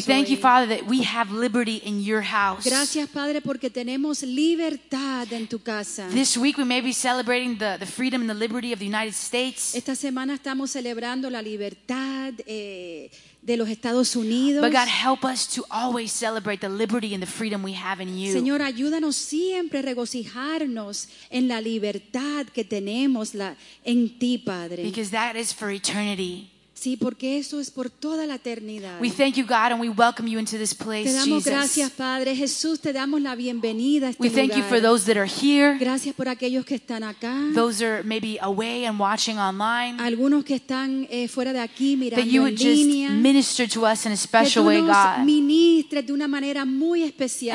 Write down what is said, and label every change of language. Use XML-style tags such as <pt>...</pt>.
<en>We thank you, Father, that we have liberty in your house.</en> <es>Gracias, Padre, porque tenemos libertad en tu casa.</es> <en>This week we may be celebrating the freedom and the liberty of the United States.</en> <es>Esta semana estamos celebrando la libertad de los Estados Unidos.</es> <en>But God, help us to always celebrate the liberty and the freedom we have in you.</en> <es>Señor, ayúdanos siempre a regocijarnos en la libertad que tenemos en ti, Padre.</es> <en>Because that is for eternity.</en> <es>Sí, porque eso es por toda la eternidad.</es> <en>We thank you, God, and we welcome you into this place, Jesus.</en> <es>Te damos</es> <en>Jesus.</en> <es>Gracias, Padre. Jesús, te damos la bienvenida a este</es> <en>we</en> <es>lugar.</es> <en>We thank you for those that are here.</en> <es>Gracias por aquellos que están acá.</es> <en>Those are maybe away and watching online.</en> <es>Algunos que están fuera de aquí mirando en línea.</es> <en>you would just minister to us in a special way, God.</en> <es>Que tú nos ministres de una manera muy especial,</es>